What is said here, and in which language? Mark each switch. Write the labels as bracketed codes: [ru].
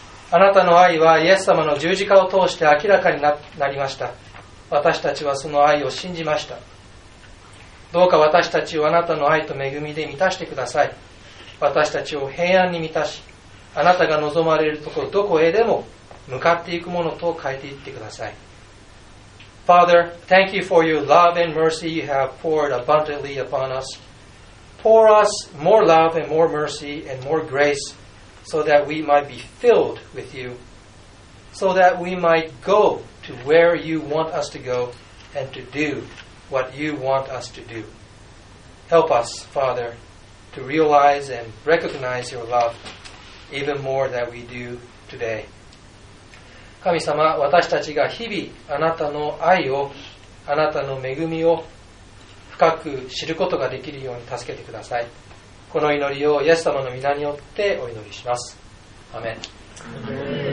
[ja] あなたの愛はイエス様の十字架を通して明らかに なりました。私たちはその愛を信じました。どうか私たちをあなたの愛と恵みで満たしてください。私たちを平安に満たし、あなたが望まれるところどこへでも向かっていくものと変えていってください。 [en] Father, thank you for your love and mercy you have poured abundantly upon us. Pour us more love and more mercy and more grace so that we might be filled with you, so that we might go to where you want us to go and to do what you want us to do. Help us, Father, to realize and recognize your love even more than we do today. [ja] 神様、私たちが日々あなたの愛を、あなたの恵みを深く知ることができるように助けてください。この祈りをイエス様の御名によってお祈りします。アメン。アメン。